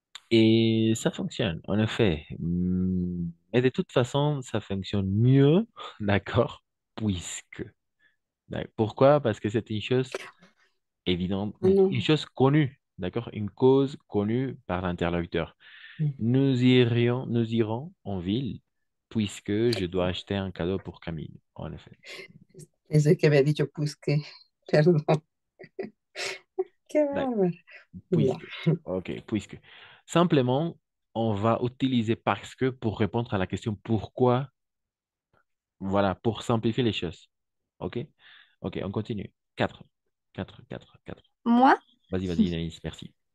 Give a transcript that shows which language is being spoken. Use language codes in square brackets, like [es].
[fr] Et ça fonctionne, en effet. Mais de toute façon, ça fonctionne mieux, d'accord, puisque. Pourquoi? Parce que c'est une chose évidente, une Non. chose connue, d'accord, une cause connue par l'interlocuteur. Nous irons en ville, puisque je dois acheter un cadeau pour Camille, en effet. [es] Pensé que había dicho pues que, perdón. Qué bárbaro. Ya. [fr] Puisque. Ok, puisque. Simplement, on va utiliser parce que pour répondre à la question pourquoi. Voilà, pour simplifier les choses. Ok? Ok, on continue. 4. 4, 4, 4. Moi, Vas-y, vas-y, Inès, merci.